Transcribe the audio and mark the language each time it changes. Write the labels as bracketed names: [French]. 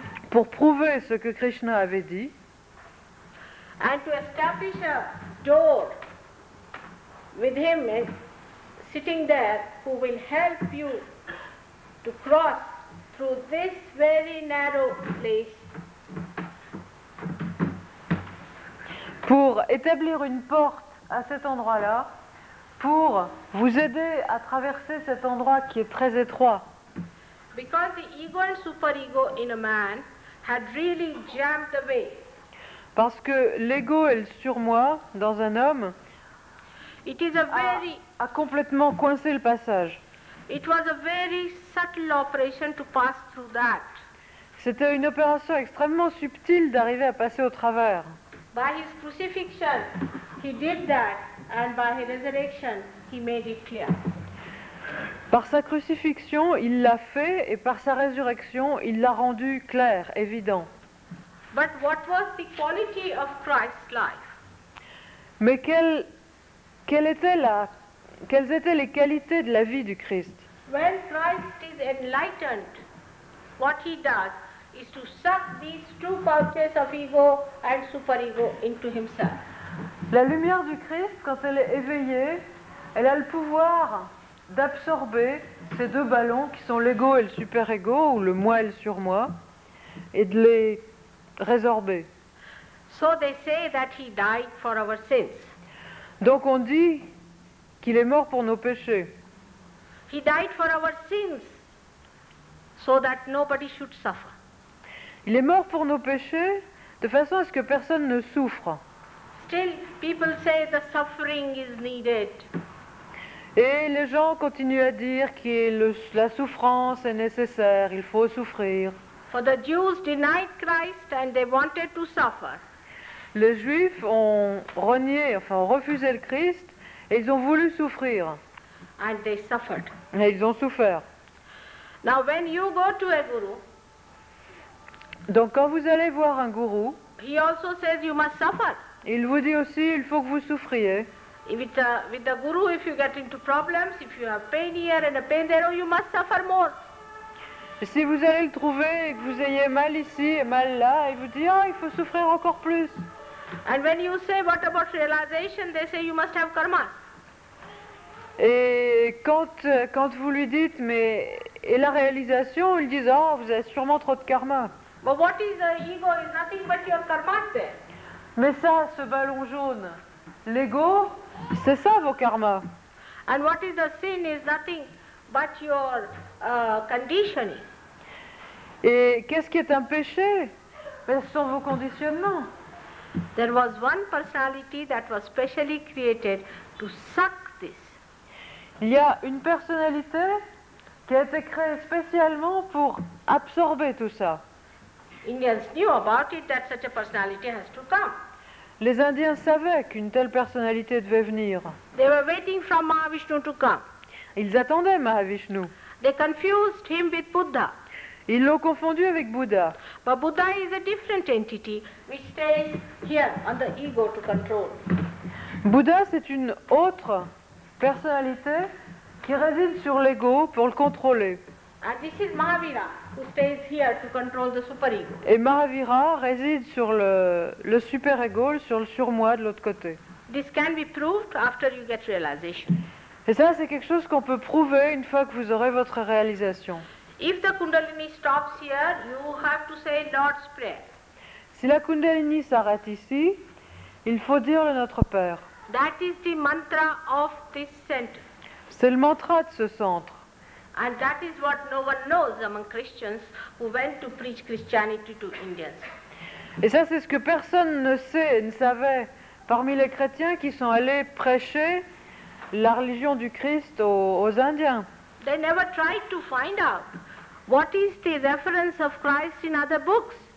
[French] Pour prouver ce que Krishna avait dit. [English] And to establish a door with him. Sitting there, who will help you to cross through this very narrow place? [French] Pour établir une porte à cet endroit-là, pour vous aider à traverser cet endroit qui est très étroit. [English] Because the ego and superego in a man had really jammed the way. [French] Parce que l'ego et le surmoi dans un homme. [English] It is a very [French] a complètement coincé le passage. [English] It was a very subtle operation to pass through that. [French] C'était une opération extrêmement subtile d'arriver à passer au travers. [English] By his crucifixion, he did that, and by his resurrection, he made it clear. [French] Par sa crucifixion, il l'a fait, et par sa résurrection, il l'a rendu clair, évident. [English] But what was the quality of Christ's life? [French] Mais quelles étaient les qualités de la vie du Christ? [English] When Christ is enlightened, what he does, is to suck these two pouches of ego and superego into himself. [French] La lumière du Christ, quand elle est éveillée, elle a le pouvoir d'absorber ces deux ballons qui sont l'ego et le superego, ou le moi et le surmoi, et de les résorber. [English] So they say that he died for our sins. [French] Donc on dit qu'il est mort pour nos péchés. [English] He died for our sins so that nobody should suffer. [French] Il est mort pour nos péchés de façon à ce que personne ne souffre. [English] Still, people say the suffering is needed. [French] Et les gens continuent à dire que la souffrance est nécessaire, il faut souffrir. [English] For the Jews denied Christ and they wanted to suffer. [French] Les Juifs ont renié, enfin refusé le Christ et ils ont voulu souffrir. [English] And they suffered. [French] Et ils ont souffert. [English] Now when you go to a guru, [French] donc quand vous allez voir un gourou, [English] he also says you must suffer. [French] Il vous dit aussi il faut que vous souffriez. [English] With the guru, if you get into problems, if you have pain here and a pain there, oh, you must suffer more. [French] Et si vous allez le trouver et que vous ayez mal ici et mal là, il vous dit oh, il faut souffrir encore plus. [English] And when you say what about realization, they say you must have karma. [French] Et quand vous lui dites mais et la réalisation, ils disent oh, vous avez sûrement trop de karma. [English] But what is the ego is nothing but your karma there. [French] Mais ça, ce ballon jaune, l'ego, c'est ça vos karmas. [English] And what is the sin is nothing but your conditioning. [French] Et qu'est-ce qui est un péché? Mais ce sont vos conditionnements. [English] There was one personality that was specially created to suck this. [French] Il y a une personnalité qui a été créée spécialement pour absorber tout ça. [English] Indians knew about it that such a personality has to come. [French] Les Indiens savaient qu'une telle personnalité devait venir. [English] They were waiting for Mahavishnu to come. [French] Ils attendaient Mahavishnu. [English] They confused him with Buddha. [French] Ils l'ont confondu avec Bouddha. [English] But Buddha is a different entity which stays here on the ego to control. [French] Bouddha, c'est une autre personnalité qui réside sur l'ego pour le contrôler. [English] And this is Mahavira who stays here to control the superego. [French] Et Mahavira réside sur le superego, sur le surmoi de l'autre côté. [English] This can be proved after you get realization. [French] Et ça, c'est quelque chose qu'on peut prouver une fois que vous aurez votre réalisation. [English] If the Kundalini stops here, you have to say Lord's Prayer. [French] Si la Kundalini s'arrête ici, il faut dire le Notre Père. [English] That is the mantra of this center. [French] C'est le mantra de ce centre. [English] And that is what no one knows among Christians who went to preach Christianity to Indians. [French] Et ça, c'est ce que personne ne sait et ne savait parmi les chrétiens qui sont allés prêcher la religion du Christ aux Indiens. [English] They never tried to find out what is the reference of Christ in other books.